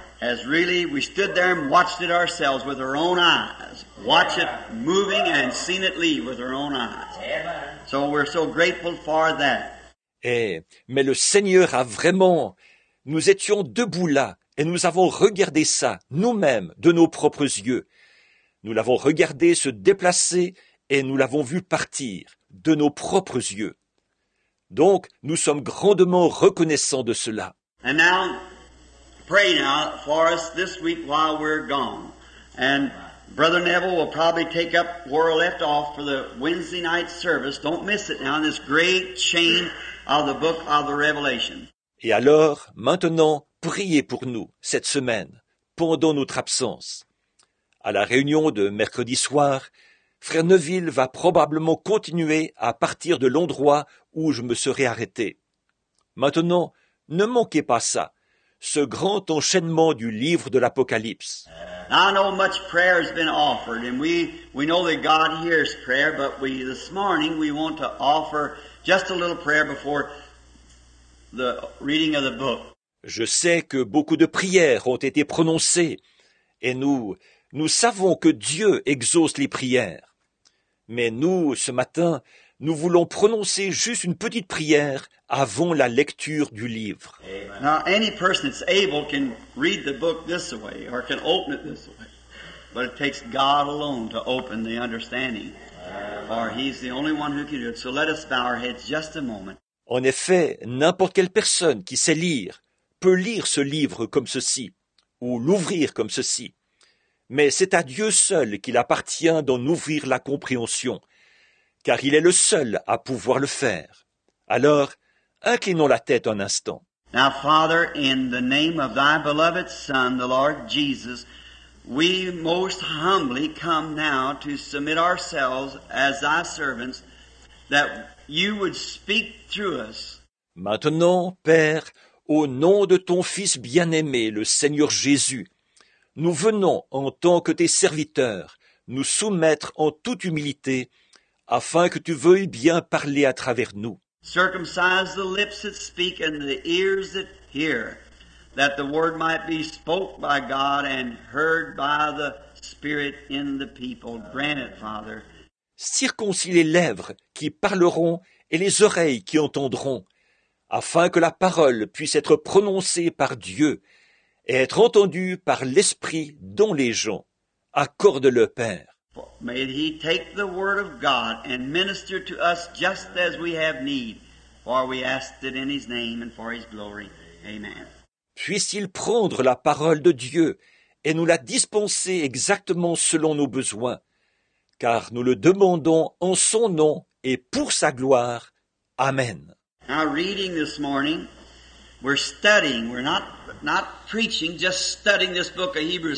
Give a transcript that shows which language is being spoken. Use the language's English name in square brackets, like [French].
[English] as really we stood there and watched it ourselves with our own eyes. Watch it moving and seen it leave with our own eyes. So we're so grateful for that. [French] Eh, mais le Seigneur a vraiment, nous étions debout là et nous avons regardé ça nous-mêmes de nos propres yeux. Nous l'avons regardé se déplacer et nous l'avons vu partir de nos propres yeux. Donc, nous sommes grandement reconnaissants de cela. [English] And now, pray now for us this week while we're gone. And Brother Neville will probably take up where we left off for the Wednesday night service. Don't miss it now, this great chain of the book of the Revelation. [French] Et alors, maintenant, priez pour nous cette semaine, pendant notre absence. À la réunion de mercredi soir, Frère Neville va probablement continuer à partir de l'endroit où je me serai arrêté. Maintenant, ne manquez pas ça, ce grand enchaînement du livre de l'Apocalypse. [English] I know much prayer has been offered, and we know that God hears prayer, but we this morning we want to offer just a little prayer before the reading of the book. [French] Je sais que beaucoup de prières ont été prononcées, et nous savons que Dieu exauce les prières. Mais nous, ce matin, nous voulons prononcer juste une petite prière avant la lecture du livre. [English] Now, any person that's able can read the book this way or can open it this way. But it takes God alone to open the understanding. For he's the only one who can do it. So let us bow our heads just a moment. [French] En effet, n'importe quelle personne qui sait lire peut lire ce livre comme ceci ou l'ouvrir comme ceci. Mais c'est à Dieu seul qu'il appartient d'en ouvrir la compréhension, car il est le seul à pouvoir le faire. Alors, inclinons la tête un instant. [English] Now, Father, in the name of thy beloved Son, the Lord Jesus, we most humbly come now to submit ourselves as thy servants, that you would speak through us. [French] Maintenant, Père, au nom de ton Fils bien-aimé, le Seigneur Jésus, nous venons, en tant que tes serviteurs, nous soumettre en toute humilité, afin que tu veuilles bien parler à travers nous. [English] Circumcise the lips that speak and the ears that hear, that the word might be spoke by God and heard by the Spirit in the people. Grant it, Father. [French] Circoncis les lèvres qui parleront et les oreilles qui entendront, afin que la parole puisse être prononcée par Dieu et être entendu par l'Esprit dans les gens. Accorde-le, Père. [English] May he take the word of God and minister to us just as we have need, for we ask it in his name and for his glory. Amen. [French] Puisse-t-il prendre la parole de Dieu et nous la dispenser exactement selon nos besoins, car nous le demandons en son nom et pour sa gloire. Amen. [English] Now reading this morning, we're studying, we're not preaching, just studying this book of Hebrews.